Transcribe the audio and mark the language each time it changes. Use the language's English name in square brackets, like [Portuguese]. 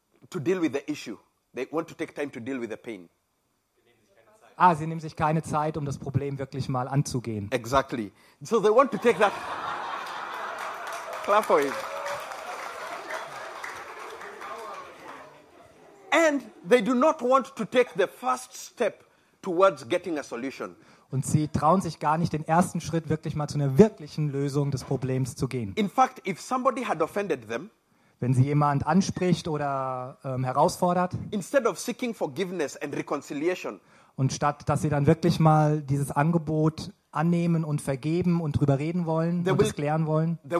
[English] To deal with the issue. They want to take time to deal with the pain. [German] Sie nehmen sich keine Zeit, um das Problem wirklich mal anzugehen. [English] Exactly. So they want to take that. Clap for him. And they do not want to take the first step towards getting a solution. [German] Und sie trauen sich gar nicht, den ersten Schritt wirklich mal zu einer wirklichen Lösung des Problems zu gehen. [English] In fact, if somebody had offended them, [German] wenn sie jemand anspricht oder herausfordert, [English] instead of seeking forgiveness and reconciliation, [German] und statt, dass sie dann wirklich mal dieses Angebot annehmen und vergeben und drüber reden wollen und es klären wollen,